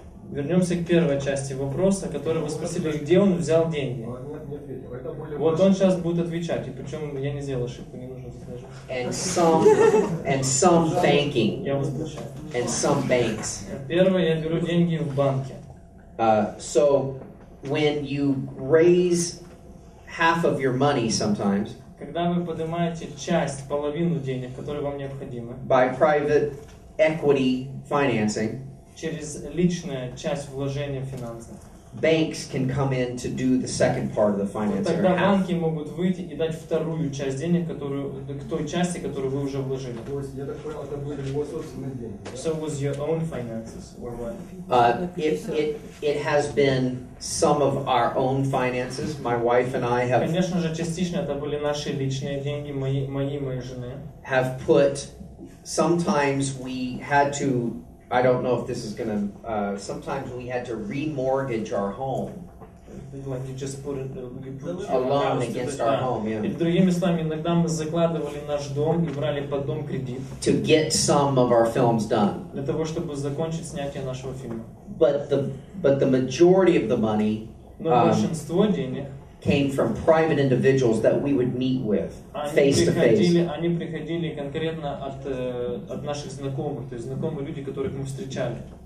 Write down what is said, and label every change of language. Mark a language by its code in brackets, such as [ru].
[ru] Вернемся к первой части вопроса, который вы спросили, где он взял деньги. Вот он сейчас будет отвечать, и причем я не сделал ошибку, не нужно сказать. [en] And some banking. [ru] Я возмущаю. [en] And some banks. [ru] Первое, я беру деньги в банке. [en] So when you raise half of your money sometimes. [ru] Когда вы поднимаете часть, половину денег, которые вам необходимы. [en] By private equity financing. [ru] Через личную часть вложения финансов. [en] Banks can come in to do the second part of the financing. [ru] Тогда банки могут выйти и дать вторую часть денег, которую к той части, которую вы уже вложили. То есть, я так понял, это были его собственные деньги. [en] So was your own finances or what? It has been some of our own finances. My wife and I have. [ru] Конечно же, частично это были наши личные деньги, мои и моей жены. [en] Have put. Sometimes we had to. I don't know if this is going to... Sometimes we had to remortgage our home. Like you just put it... A loan against our home, yeah. [ru] И другими словами, иногда мы закладывали наш дом и брали под дом кредит. [en] To get some of our films done. [ru] Для того, чтобы закончить снятие нашего фильма. [en] But the majority of the money... [ru] Но большинство денег... [en] Came from private individuals that we would meet with face to face. [ru] Они приходили конкретно от наших знакомых, то есть знакомые люди, которых мы встречали.